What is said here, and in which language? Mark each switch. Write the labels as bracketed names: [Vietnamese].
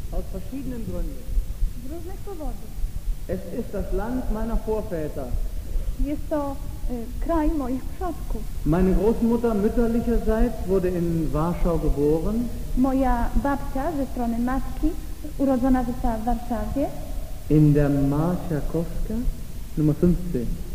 [German] verschiedenen Gründen. [Polish] Z różnych powodów. [German] Es ist das Land meiner Vorväter. [Polish] Jest to kraj moich przodków. [German] Meine Großmutter mütterlicherseits wurde in Warschau geboren. [Polish] Moja babcia ze strony matki urodzona została w Warszawie. [German] In der Marschakowska Nummer 15.